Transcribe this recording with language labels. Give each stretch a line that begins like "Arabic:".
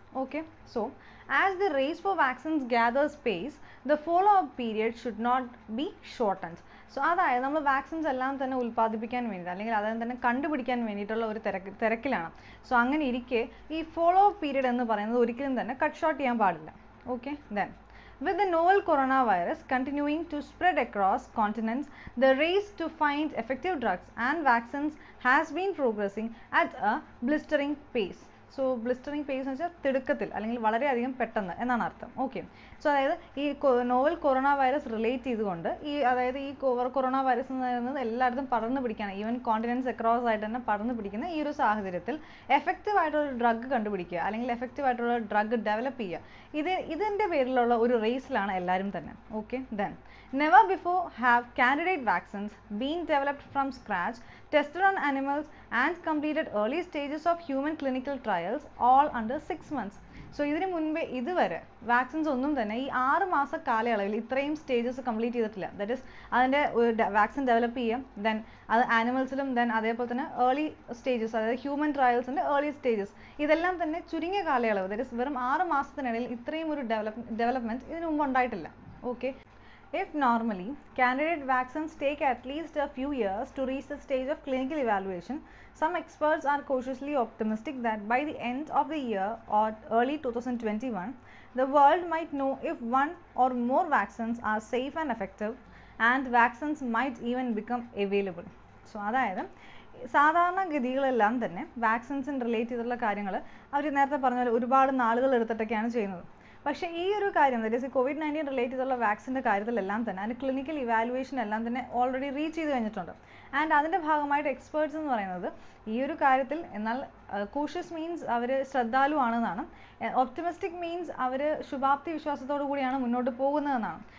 English: Okay, so as the race for vaccines gathers pace, the follow up period should not be shortened.
Malayalam: So അതായത് നമ്മൾ vaccines എല്ലാം തന്നെ ഉൽപ്പാദിപ്പിക്കാൻ വേണ്ടിയിട്ട്, അല്ലെങ്കിൽ അതെല്ലാം തന്നെ കണ്ടുപിടിക്കാൻ വേണ്ടിയിട്ടുള്ള ഒരു തിരക്കിലാണ്. സോ അങ്ങനെ ഇരിക്കെ ഈ ഫോളോ അപ്പ് പീരീഡ് എന്ന് പറയുന്നത് ഒരിക്കലും തന്നെ കട്ട് ഷോർട്ട് ചെയ്യാൻ പാടില്ല.
English: Okay, then with the novel coronavirus continuing to spread across continents, the race to find effective drugs and vaccines has been progressing at a blistering pace.
Malayalam: So blistering pace എന്ന് വെച്ചാൽ തിടുക്കത്തിൽ, അല്ലെങ്കിൽ വളരെയധികം പെട്ടെന്ന് എന്നാണ് അർത്ഥം. ഓക്കെ, സോ അതായത് ഈ നോവൽ കൊറോണ വൈറസ് റിലേറ്റ് ചെയ്തുകൊണ്ട് ഈ, അതായത് ഈ കൊറോണ വൈറസ് എന്ന് പറയുന്നത് എല്ലായിടത്തും പടർന്നു പിടിക്കുകയാണ്,
English: even continents across
Malayalam: ആയിട്ട് തന്നെ പടർന്നു പിടിക്കുന്ന ഈ ഒരു സാഹചര്യത്തിൽ എഫക്റ്റീവ് ആയിട്ടുള്ള ഡ്രഗ് കണ്ടുപിടിക്കുക, അല്ലെങ്കിൽ എഫക്റ്റീവ് ആയിട്ടുള്ള ഡ്രഗ് ഡെവലപ്പ് ചെയ്യുക, ഇതിൻ്റെ പേരിലുള്ള ഒരു റേസിലാണ് എല്ലാവരും തന്നെ.
English: Okay, then never before have candidate vaccines been developed from scratch, tested on animals and completed early stages of human clinical trials all under 6 months.
Malayalam: So ഇതിന് മുൻപേ ഇതുവരെ വാക്സിൻസ് ഒന്നും തന്നെ ഈ 6 മാസ കാലയളവിൽ ഇത്രയും സ്റ്റേജസ് കംപ്ലീറ്റ് ചെയ്തിട്ടില്ല. ദാറ്റ് ഇസ് അതിൻ്റെ വാക്സിൻ ഡെവലപ്പ് ചെയ്യുക, ദെൻ അത് ആനിമൽസിലും, ദെൻ അതേപോലെ തന്നെ ഏർലി സ്റ്റേജസ്, അതായത് ഹ്യൂമൻ ട്രയൽസിൻ്റെ ഏർലി സ്റ്റേജസ്, ഇതെല്ലാം തന്നെ ചുരുങ്ങിയ കാലയളവ്, ദാറ്റ് ഇസ് വെറും 6 മാസത്തിനിടയിൽ ഇത്രയും ഒരു ഡെവലപ്മെൻറ്റ് ഇതിനു മുമ്പ് ഉണ്ടായിട്ടില്ല.
English: Okay, if normally candidate vaccines take at least a few years to reach the stage of clinical evaluation, some experts are cautiously optimistic that by the end of the year or early 2021 the world might know if one or more vaccines are safe and effective, and vaccines might even become available.
Malayalam: So adayad സാധാരണ ഗതികളെല്ലാം തന്നെ വാക്സിൻസിന് relate ചെയ്തുള്ള കാര്യങ്ങൾ അവർ നേരത്തെ പറഞ്ഞ പോലെ ഒരുപാട് നാളുകൾ എടുത്തിട്ടൊക്കെയാണ് ചെയ്യുന്നത്. പക്ഷേ ഈ ഒരു കാര്യം തന്നെ COVID-19 റിലേറ്റ് ചെയ്തുള്ള വാക്സിൻ്റെ കാര്യത്തിലെല്ലാം തന്നെ അതിന് ക്ലിനിക്കൽ ഇവാലുവേഷൻ എല്ലാം തന്നെ ഓൾറെഡി റീച്ച് ചെയ്ത് കഴിഞ്ഞിട്ടുണ്ട്. ആൻഡ് അതിൻ്റെ ഭാഗമായിട്ട് എക്സ്പേർട്സ് എന്ന് പറയുന്നത് ഈ ഒരു കാര്യത്തിൽ, എന്നാൽ കോഷ്യസ് മീൻസ് അവർ ശ്രദ്ധാലു ആണെന്നാണ്, ഒപ്റ്റിമിസ്റ്റിക് മീൻസ് അവർ ശുഭാപ്തി വിശ്വാസത്തോടു കൂടിയാണ് മുന്നോട്ട് പോകുന്നതെന്നാണ്.